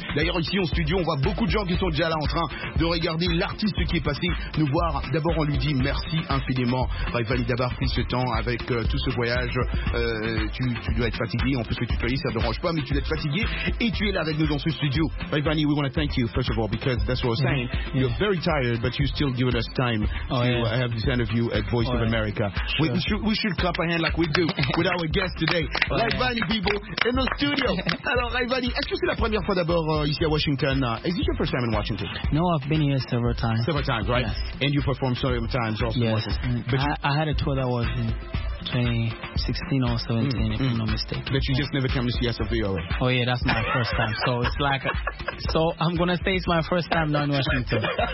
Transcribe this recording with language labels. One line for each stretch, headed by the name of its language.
French: D'ailleurs ici en studio, on voit beaucoup de gens qui sont déjà là en train de regarder l'artiste qui est passé nous voir. D'abord, on lui dit merci infiniment. Raivani, d'avoir pris ce temps avec tout ce voyage. Tu dois être fatigué. En plus que tu payes, ça ne dérange pas, mais tu dois être fatigué. Et tu es là avec nous dans ce studio.
English: Raivani, we want to thank you, first of all, because that's what I was saying. You're very tired, but you're still giving us time to have this interview at Voice of America. Sure. We should clap a hand like we do with our guest today. Raivani, people, in the studio.
French: Alors, Raivani, est-ce que c'est la première fois d'abord ici à Washington?
English: Is this your first time in Washington? No, I've been here several times. Several times, right? Yes. And you performed several times also in Washington. But I had a tour that was in 2016 or 17, if I'm not mistaken. But you just never came to see us at VOA. Oh, yeah, that's my first time. So it's like, so I'm going to say it's my first time now in Washington.